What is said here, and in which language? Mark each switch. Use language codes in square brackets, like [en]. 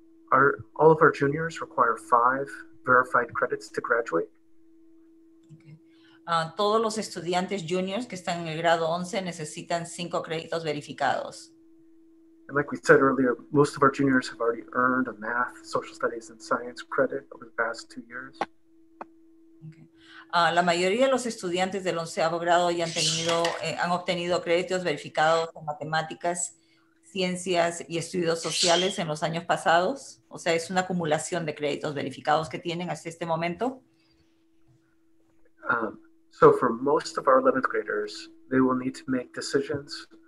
[en] All of our juniors require 5 verified credits to graduate. [es] Todos los estudiantes juniors que están en el grado 11 necesitan 5 créditos verificados. [en] And like we said earlier, most of our juniors have already earned a math, social studies, and science credit over the past 2 years. Okay. [es] La mayoría de los estudiantes del 11º grado ya han obtenido créditos verificados en matemáticas, ciencias y estudios sociales en los años pasados. O sea, es una acumulación de créditos verificados que tienen hasta este momento. [en] So for most of our 11th graders, they will need to make decisions.